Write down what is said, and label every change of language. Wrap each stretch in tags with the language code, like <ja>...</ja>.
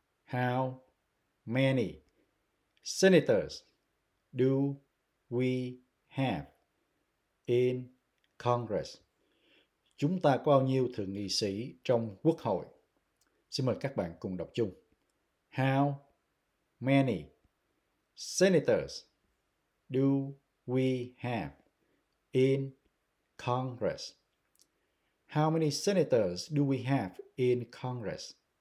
<en>How many senators do we have in Congress?</en> <vi>Chúng ta có bao nhiêu thượng nghị sĩ trong Quốc hội? Xin mời các bạn cùng đọc chung.</vi> <en>How many senators do we have in Congress? How many senators do we have in Congress?</en>